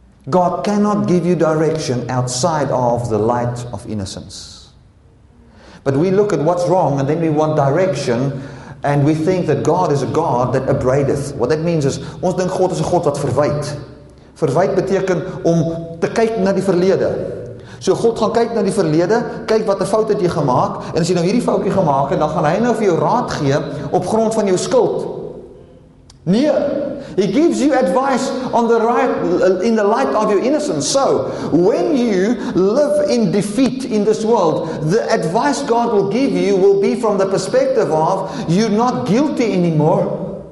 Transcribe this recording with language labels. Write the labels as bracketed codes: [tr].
[en] God cannot give you direction outside of the light of innocence. But we look at what's wrong and then we want direction and we think that God is a God that abradeth. What that means is, [af] ons dink God is 'n God wat verwyd. Verwyd beteken om te kyk na die verlede. So God gaan kyk na die verlede, kyk wat 'n fout het jy gemaak en as jy nou hierdie foutjie gemaak het, dan gaan hy nou vir jou raad gee op grond van jou skuld. [en] Nee, he gives you advice on the right, in the light of your innocence. So, when you live in defeat in this world, the advice God will give you will be from the perspective of you're not guilty anymore.